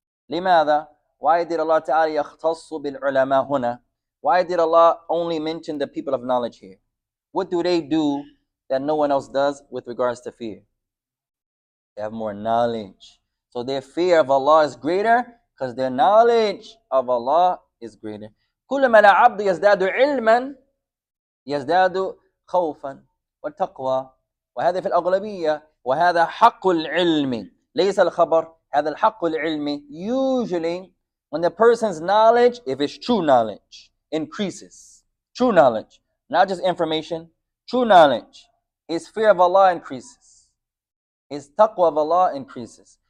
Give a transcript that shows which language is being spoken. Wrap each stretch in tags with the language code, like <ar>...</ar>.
<ar>لماذا?</ar> <en>Why did Allah Ta'ala</en> <ar>يختص بالعلماء هنا?</ar> <en>Why did Allah only mention the people of knowledge here? What do they do that no one else does with regards to fear? They have more knowledge. So their fear of Allah is greater because their knowledge of Allah is greater.</en> <ar>كلما العبد يزداد علما يزداد خوفا وتقوى وهذا في الأغلبية وهذا حق العلم ليس الخبر هذا الحق العلم.</ar> <en>Usually, when the person's knowledge, if it's true knowledge, increases, true knowledge, not just information, true knowledge, his fear of Allah increases, his taqwa of Allah increases.</en>